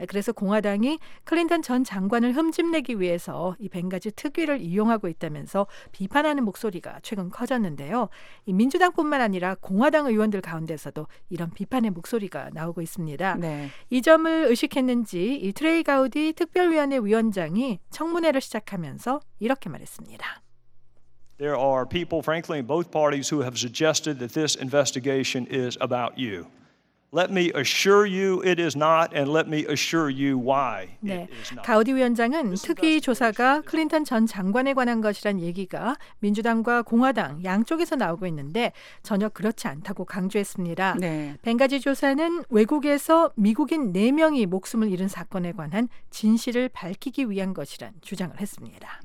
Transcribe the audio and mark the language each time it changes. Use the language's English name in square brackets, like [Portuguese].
[Korean] 그래서 공화당이 클린턴 전 장관을 흠집내기 위해서 이 벵가지 특위를 이용하고 있다면서 비판하는 목소리가 최근 커졌는데요. 이 민주당뿐만 아니라 공화당 의원들 가운데서도 이런 비판의 목소리가 나오고 있습니다. 네. 이 점을 의식했는지 이 트레이 가우디 특별위원회 위원장이 청문회를 시작하면서 이렇게 말했습니다. [English] There are people, frankly, in both parties who have suggested that this investigation is about you. Let me assure you it is not, and let me assure you why it is not. [Korean] 네, 가우디 위원장은 특위 조사가 클린턴 전 장관에 관한 것이란 얘기가 민주당과 공화당 양쪽에서 나오고 있는데 전혀 그렇지 않다고 강조했습니다. 네. 벵가지 조사는 외국에서 미국인 4명이 목숨을 잃은 사건에 관한 진실을 밝히기 위한 것이란 주장을 했습니다.